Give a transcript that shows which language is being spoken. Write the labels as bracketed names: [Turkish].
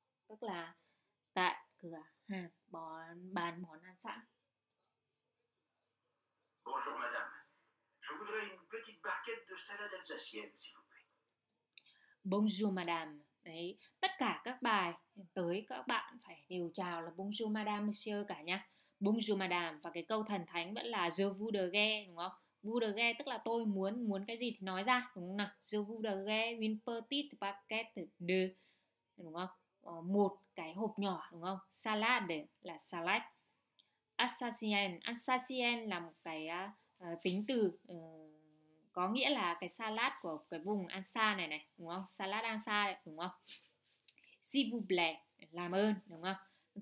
[Vietnamese] Tức là tại cửa hàng bán món ăn sẵn. [French] Bonjour madame. Je voudrais une petite barquette de salade alsacienne, s'il vous plaît. Bonjour madame. [Vietnamese] Đấy, tất cả các bài tới các bạn phải đều chào là [French] bonjour madame monsieur [Vietnamese] cả nhá. [French] Bonjour madame, [Vietnamese] và cái câu thần thánh vẫn là je voudrais, đúng không? Voudrais tức là tôi muốn cái gì thì nói ra, đúng không nào? [French] Je voudrais une petite barquette de, [Vietnamese] đúng không? Một cái hộp nhỏ, đúng không? Salade là salad. Alsacienne, alsacienne là một cái tính từ có nghĩa là cái salad của cái vùng Alsace này này, đúng không? Salad Alsace, đúng không? [French] S'il vous plaît, [Vietnamese] làm ơn, đúng không?